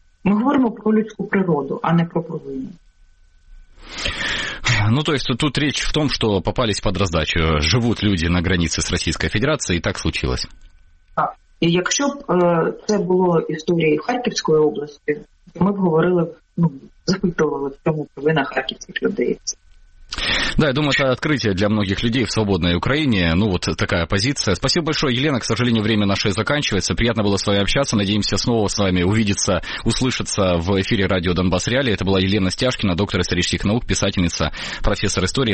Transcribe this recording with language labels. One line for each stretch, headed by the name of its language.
Ukrainian: Ми говоримо про людську природу, а не про провину.
Russian: То есть тут речь в том, что попались под раздачу. Живут люди на границе с Российской Федерацией, и так случилось.
Ukrainian: Так. І якщо б це було історією Харківської області, то ми б говорили, запитували, в чому провина харківських людей.
Russian: Да, я думаю, это открытие для многих людей в свободной Украине. Такая позиция. Спасибо большое, Елена. К сожалению, время наше заканчивается. Приятно было с вами общаться. Надеемся снова с вами увидеться, услышаться в эфире радио «Донбасс Реали». Это была Елена Стяжкина, доктор исторических наук, писательница, профессор истории.